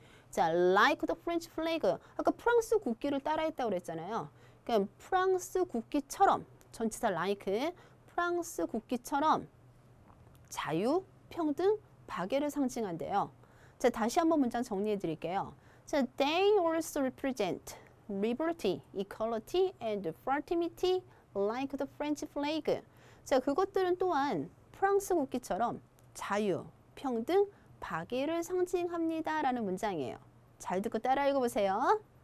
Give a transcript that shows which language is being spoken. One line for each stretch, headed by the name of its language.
Korean: 자,
English: like the French flag,
Korean: 아까 프랑스 국기를 따라했다고 그랬잖아요. 그럼 프랑스 국기처럼, 전치사 like, 프랑스 국기처럼 자유, 평등, 박애를 상징한대요. 자, 다시 한번 문장 정리해 드릴게요.
English: So they also represent liberty, equality, and fraternity like the French flag.
Korean: 자, 그것들은 또한 프랑스 국기처럼 자유, 평등, 박애를 상징합니다. 라는 문장이에요. 잘 듣고 따라 읽어보세요.